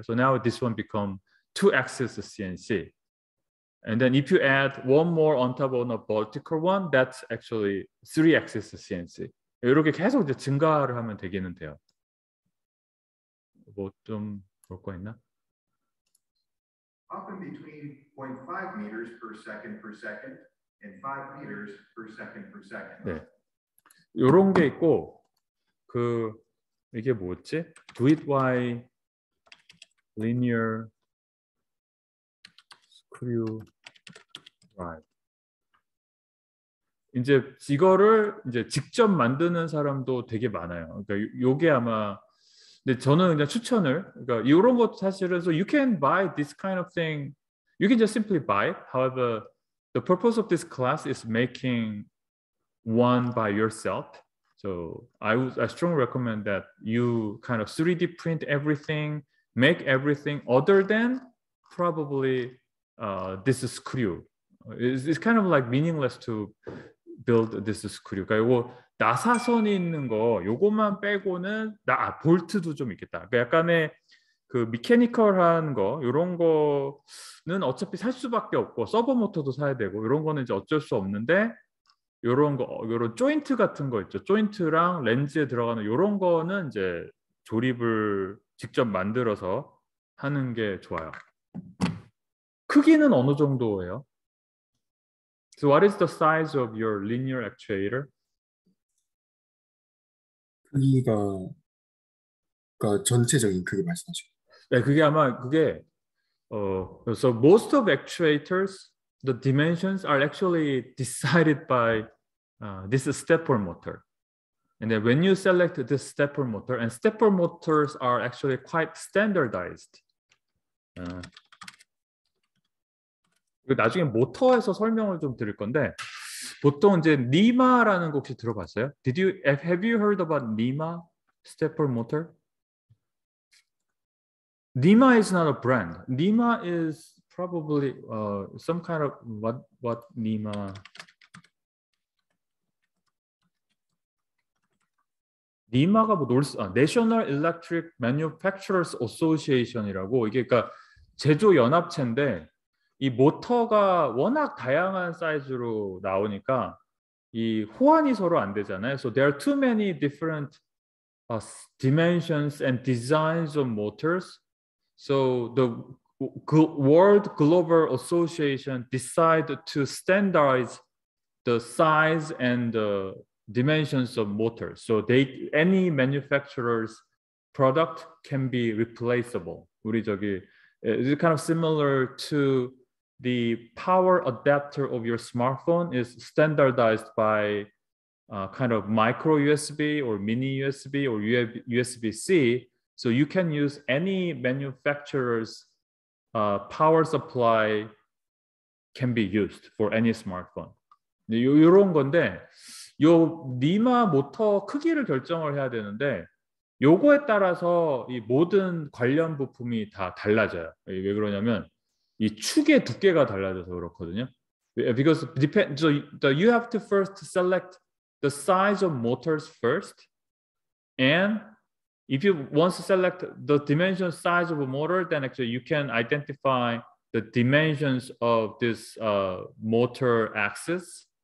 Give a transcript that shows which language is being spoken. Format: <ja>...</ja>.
<en>So now this one become two axis CNC. And then if you add one more on top of a vertical one, that's actually three axis CNC.</en> <ko>이렇게 계속 이제 증가를 하면 되기는 돼요.</ko> <en>뭐 좀 볼 거 있나? Often between 0.5 meters per second per second and 5 meters per second per second. 네.</en> <ko>요런 게 있고 그 이게 뭐였지?</ko> <en>Do it y linear screw drive.</en> <ko>이제 이거를 이제 직접 만드는 사람도 되게 많아요.</ko> <en>그러니까 요게 아마 근데 저는 그냥 추천을 그러니까 요런 것도 사실은 so you can buy this kind of thing. You can just simply buy it. However, the purpose of this class is making one by yourself. So, I strongly recommend that you kind of 3D print everything, make everything other than probably this screw. It's kind of like meaningless to build this screw.</en> <ko>그러니까 요거 나사선이 있는 거 요것만 빼고는 나 아, 볼트도 좀 있겠다. 그러니까 약간의 그 미케니컬한 거 요런 거는 어차피 살 수밖에 없고 서버 모터도 사야 되고 요런 거는 이제 어쩔 수 없는데 요런 거 요런 조인트 같은 거 있죠. 조인트랑 렌즈에 들어가는 요런 거는 이제 조립을 직접 만들어서 하는 게 좋아요. 크기는 어느 정도예요?</ko> <en>So what is the size of your linear actuator?</en> <ko>크기가 그러니까 전체적인 크기 말씀하시죠.</ko> <en>네, 그게 아마 그게 so most of actuators the dimensions are actually decided by this stepper motor. And then when you select this stepper motor and stepper motors are actually quite standardized.</en> <ko>나중에 모터에서 설명을 좀 드릴 건데 보통 이제 니마라는 거 혹시 들어봤어요?</ko> <en>Did you have you heard about NEMA stepper motor? NEMA is not a brand. NEMA is probably some kind of what NEMA?</en> <ko>NEMA가 뭐 National Electric Manufacturers Association이라고 이게 그러니까 제조 연합체인데. 이 모터가 워낙 다양한 사이즈로 나오니까 이 호환이 서로 안 되잖아요.</ko> <en>So there are too many different dimensions and designs of motors. So the World Global Association decided to standardize the size and the dimensions of motors. So any manufacturer's product can be replaceable. 우리 저기 it's kind of similar to the power adapter of your smartphone is standardized by kind of micro USB or mini USB or USB-C. So you can use any manufacturer's power supply can be used for any smartphone.</en> <ko>이런 건데 요 니마 모터 크기를 결정을 해야 되는데 요거에 따라서 이 모든 관련 부품이 다 달라져요. 왜 그러냐면 이 축의 두께가 달라져서 그렇거든요.</ko> <en>Because depend so you have to first select the size of motors first, and if you want to select the dimension size of a motor, then actually you can identify the dimensions of this motor axis.</en>